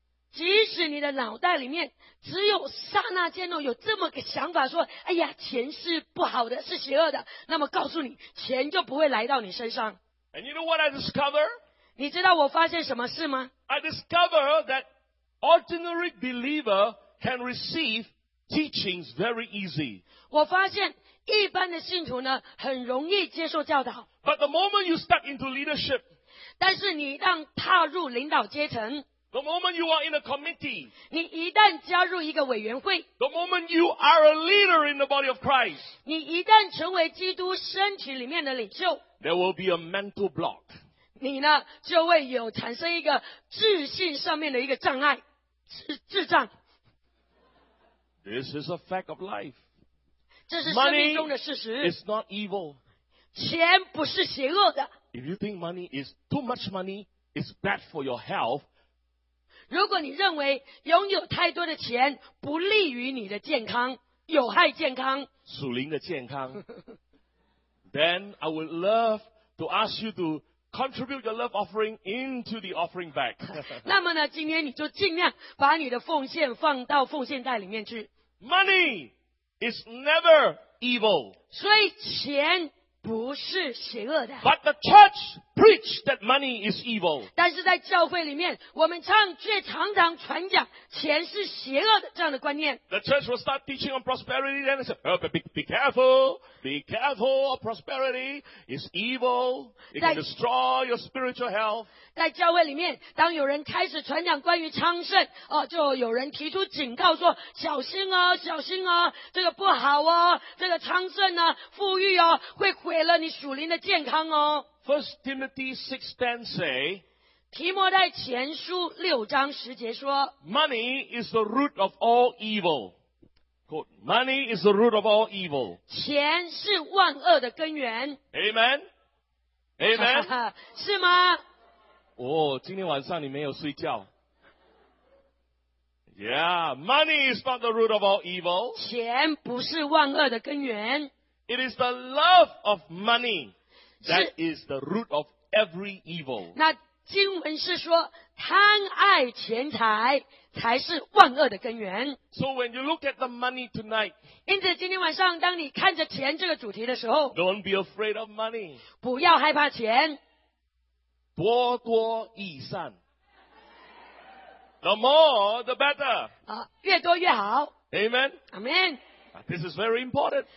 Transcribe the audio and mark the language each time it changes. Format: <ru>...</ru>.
<zh>即使你的脑袋里面只有刹那间有这么个想法说，哎呀，钱是不好的，是邪恶的，那么告诉你，钱就不会来到你身上。</zh> <en>And you know what I discover?</en> <zh>你知道我发现什么事吗？</zh> <en>I discover that ordinary believer can receive teachings very easy.</en> <zh>我发现一般的信徒呢，很容易接受教导。</zh> <en>But the moment you step into leadership,</en> <zh>但是你一旦踏入领导阶层，</zh> <en>The moment you are in a committee,</en> <zh>你一旦加入一个委员会，</zh> <en>The moment you are a leader in the body of Christ,</en> <zh>你一旦成为基督身体里面的领袖，</zh> <en>There will be a mental block.</en> <zh>你呢，就会有产生一个自信上面的一个障碍，智障。</zh> <en>This is a fact of life.</en> <zh>这是生命中的事实。</zh> <en>Money is not evil.</en> <zh>钱不是邪恶的。</zh> <en>If you think money is too much money, it's bad for your health,</en> <zh>如果你认为拥有太多的钱不利于你的健康，有害健康，属灵的健康</zh> <en>Then I would love to ask you to contribute your love offering into the offering bag.</en> <zh>那么呢，今天你就尽量把你的奉献放到奉献袋里面去。</zh> <en>Money is never evil.</en> <zh>所以钱不是邪恶的。</zh> <en>But the church preached that money is evil.</en> <zh>但是在教会里面，我们却常常传讲钱是邪恶的这样的观念。</zh> <en>The church will start teaching on prosperity, then they say, "Oh, be careful of prosperity. It's evil. It can destroy your spiritual health."</en> <zh>在教会里面，当有人开始传讲关于昌盛，就有人提出警告说，小心啊，小心啊，这个不好啊，这个昌盛啊，富裕啊，会毁了你属灵的健康哦。</zh> <en>First Timothy 6:10 say,</en> <zh>提摩太前书六章十节说，</zh> <en>Money is the root of all evil. Quote, Money is the root of all evil.</en> <zh>钱是万恶的根源。</zh> <en>Amen? Amen?</en> <zh>是吗？今天晚上你没有睡觉。</zh> <en>Yeah, money is not the root of all evil.</en> <zh>钱不是万恶的根源。</zh> <en>It is the love of money. That is the root of every evil.</en> <zh>那经文是说，贪爱钱财才是万恶的根源。</zh> <en>So when you look at the money tonight,</en> <zh>因此今天晚上当你看着钱这个主题的时候，</zh> <en>Don't be afraid of money.</en> <zh>不要害怕钱。多多益善。</zh> <en>The more, the better.</en> <zh>越多越好。</zh> <en>Amen. Amen. This is very important.</en>